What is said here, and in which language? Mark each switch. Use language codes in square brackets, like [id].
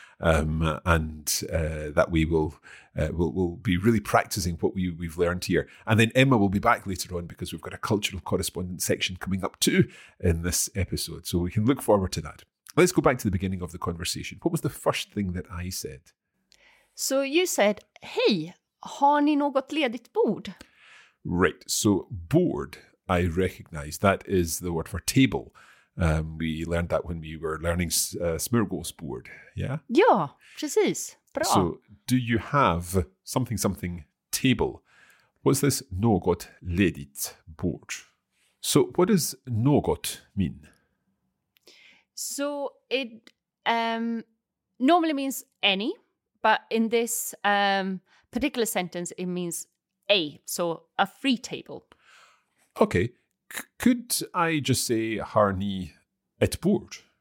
[en] That way we'll be really practicing what we've learned here. And then Emma will be back later on because we've got a cultural correspondence section coming up too in this episode. So we can look forward to that. Let's go back to the beginning of the conversation. What was the first thing that I said? So you said, hey, [sv] har ni något ledigt bord? [en] Right. So board, I recognize that is the word for table. We learned that when we were learning smörgåsbord. Yeah? Yeah, [sv] precis. Bra. [en] So do you have something, something table? What's this [sv] något ledigt bord? [en] So what does något mean? So it normally means any, but in this particular sentence, it means a, so a free table. Okay. Could I just say, [sv] har ni ett bord?